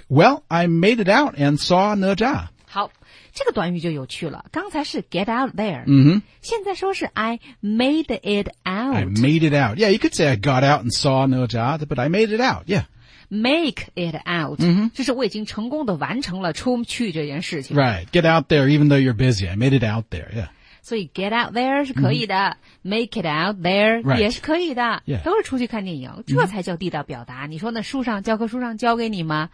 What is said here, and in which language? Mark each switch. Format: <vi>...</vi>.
<en>Well， I made it out and saw 哪吒。</en> <zh>好。这个短语就有趣了刚才是</zh> <en>get out there、 mm-hmm.</en> <zh>现在说是</zh> <en>I made it out I made it out Yeah, you could say I got out and saw 哪吒 But I made it out Yeah, Make it out、 mm-hmm.</en> <zh>就是我已经成功的完成了出去这件事情</zh> <en>Right, get out there even though you're busy I made it out there Yeah,</en> <zh>所以</zh> <en>get out there</en> <zh>是可以的、mm-hmm.</zh> <en>Make it out there、 right.</en> <zh>也是可以的、</zh> <en>yeah.</en> <zh>都是出去看电影这才叫地道表达、mm-hmm. 你说那书上教科书上教给你吗、</zh>